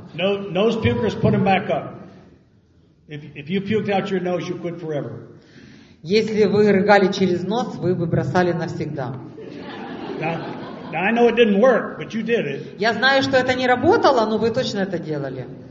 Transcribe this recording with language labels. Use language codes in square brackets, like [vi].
[en] No, nose pukers, put them back up. If you puked out your nose, you quit forever. [ru] Если вы рыгали через нос, вы бы бросали навсегда. [en] Now, I know it didn't work, but you did it. [ru] Я знаю, что это не работало, но вы точно это делали.